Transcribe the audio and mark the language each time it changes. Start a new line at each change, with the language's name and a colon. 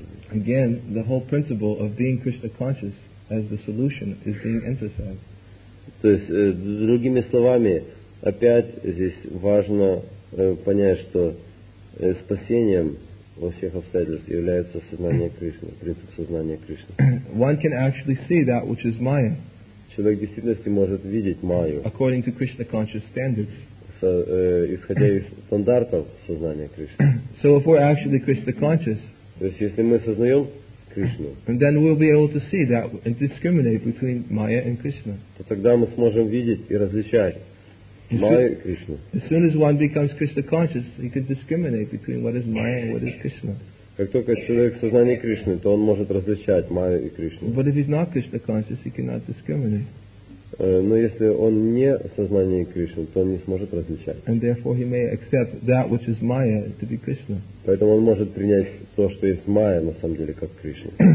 English: Again, the whole principle of being Krishna conscious as the solution is being emphasized.
Russian: То есть, другими словами, опять здесь важно понять, что спасением во всех обстоятельствах является сознание Кришны, принцип сознания Кришны.
English: One can actually see that which is Maya.
Russian: Человек в действительности может видеть Майю.
English: According to Krishna conscious standards.
Russian: Исходя из стандартов сознания Кришны.
English: So if we're actually Krishna conscious.
Russian: То есть если мы сознаем Кришну.
English: And then we'll be able to see that and discriminate between Maya and Krishna.
Russian: То тогда мы сможем видеть и различать.
English: As soon as one becomes Krishna conscious, he can discriminate between what is Maya and what is Krishna.
Russian: Как только человек в сознании Кришны, то он может различать Майю и Кришну.
English: But if he's not Krishna conscious, he cannot discriminate.
Russian: Но если он не в сознании Кришны, то он не сможет различать.
English: And therefore, he may accept that which is Maya to be Krishna.
Russian: Поэтому он может принять то, что есть Майя, на самом деле, как Кришна.